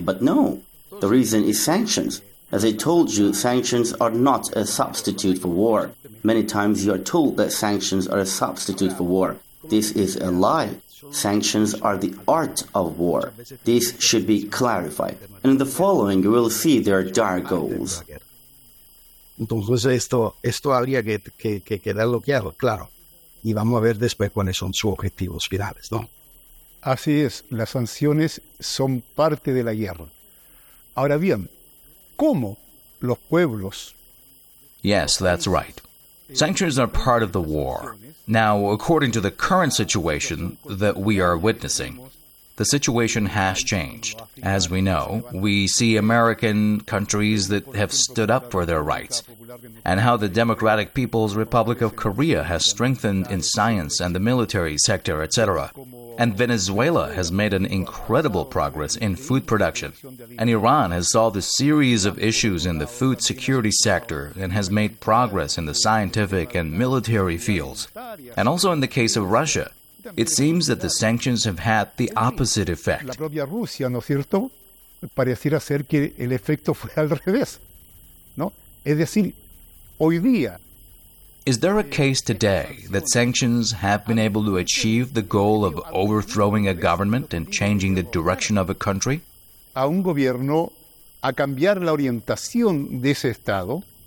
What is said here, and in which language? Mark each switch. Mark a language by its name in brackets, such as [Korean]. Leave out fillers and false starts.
[English] But no, the reason is sanctions. As I told you, sanctions are not a substitute for war. Many times you are told that sanctions are a substitute for war. This is a lie. Sanctions are the art of war. This should be clarified. In the following, we will see their dire goals. [Spanish] Entonces esto habría que quedarlo claro, claro. Y vamos a ver después cuáles son sus objetivos finales, ¿no? Así es. Las sanciones son parte de la guerra. Ahora bien, ¿cómo los pueblos? [English] Yes, that's right. Sanctions are part of the war. Now, according to the current situation that we are witnessing, the situation has changed. As we know, we see American countries that have stood up for their rights, and how the Democratic People's Republic of Korea has strengthened in science and the military sector, etc. And Venezuela has made an incredible progress in food production. And Iran has solved a series of issues in the food security sector and has made progress in the scientific and military fields. And also in the case of Russia, it seems that the sanctions have had the opposite effect. [Spanish] La propia Rusia, ¿no es cierto? Pareciera ser que el efecto fue al revés, ¿no? Es decir, hoy día... [English] Is there a case today that sanctions have been able to achieve the goal of overthrowing a government and changing the direction of a country? [Spanish] A un gobierno a cambiar la orientación de ese estado?